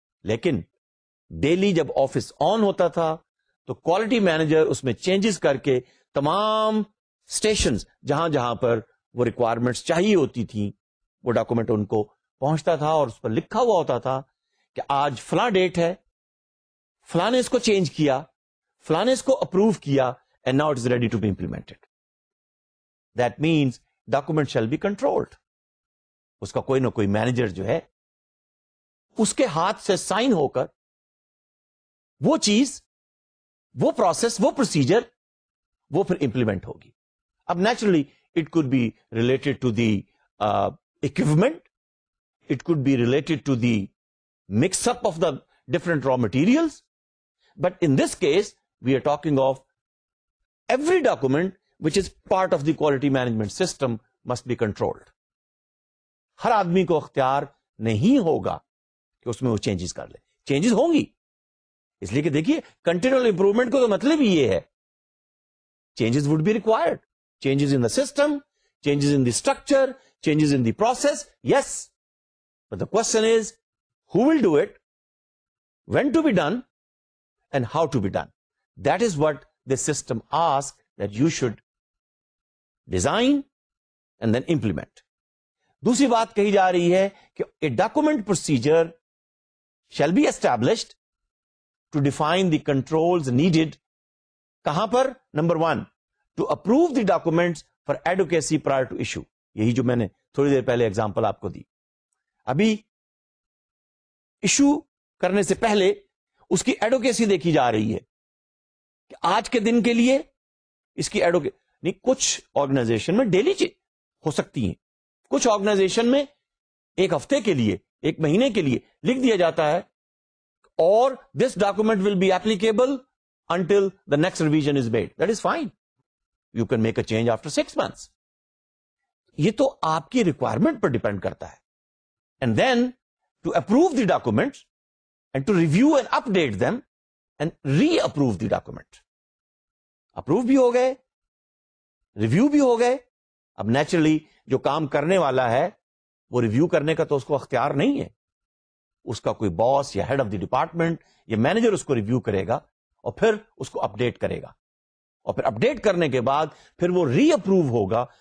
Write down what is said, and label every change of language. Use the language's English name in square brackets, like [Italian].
[Urdu] لیکن ڈیلی جب office on ہوتا تھا تو کوالٹی مینیجر اس میں چینجز کر کے تمام سٹیشنز جہاں جہاں پر وہ ریکوائرمنٹس چاہیے ہوتی تھیں وہ ڈاکومنٹ ان کو پہنچتا تھا, اور اس پر لکھا ہوا ہوتا تھا کہ آج فلاں ڈیٹ ہے, فلاں نے اس کو چینج کیا, فلاں نے اس کو اپروو کیا, [English] And now it is ready to be implemented. That means document shall be controlled. [Urdu] اس کا کوئی نہ کوئی مینیجر جو ہے اس کے ہاتھ سے سائن ہو کر وہ چیز, وہ پروسیس, وہ پروسیجر, وہ پھر امپلیمنٹ ہوگی. [English] اب naturally it could be related to the equipment, it could be related to the mix-up of the different raw materials, But in this case, we are talking of every document which is part of the quality management system must be controlled. [Urdu] ہر آدمی کو اختیار نہیں ہوگا کہ اس میں وہ changes کر لے. چینجز ہوں گی, اس لیے کہ دیکھیے کنٹینیول امپروومنٹ کو تو مطلب یہ ہے. [English] Changes would be required, changes in the system, changes in the structure, changes in the process, yes. But the question is who will do it, when to be done, and how to be done. That is what the system ask that you should design and then implement. [Urdu] دوسری بات کہی جا رہی ہے کہ [English] A document procedure shall be established to define the controls needed. [Urdu] کہاں پر؟ [English] Number one, to approve the documents for adequacy prior to issue. [Urdu] یہی جو میں نے تھوڑی دیر پہلے ایگزامپل آپ کو دی, ابھی ایشو کرنے سے پہلے اس کی ایڈوکیسی دیکھی جا رہی ہے کہ آج کے دن کے لیے اس کی ایڈوکیسی. کچھ آرگنائزیشن میں ڈیلی ہو سکتی ہیں, کچھ آرگنائزیشن میں ایک ہفتے کے لیے, ایک مہینے کے لیے لکھ دیا جاتا ہے, اور [English] This document will be applicable until the next revision is made. That is fine, you can make a change after six months. [Urdu] یہ تو آپ کی ریکوائرمنٹ پر ڈیپینڈ کرتا ہے. [English] And then to approve the document and to review and update them and reapprove the document. [Urdu] Approve بھی ہو گئے, review بھی ہو گئے. اب نیچرلی جو کام کرنے والا ہے وہ ریویو کرنے کا تو اس کو اختیار نہیں ہے, اس کا کوئی باس یا ہیڈ آف دی ڈپارٹمنٹ یا مینیجر اس کو ریویو کرے گا اور پھر اس کو اپڈیٹ کرے گا, اور پھر اپڈیٹ کرنے کے بعد پھر وہ ری اپروو ہوگا.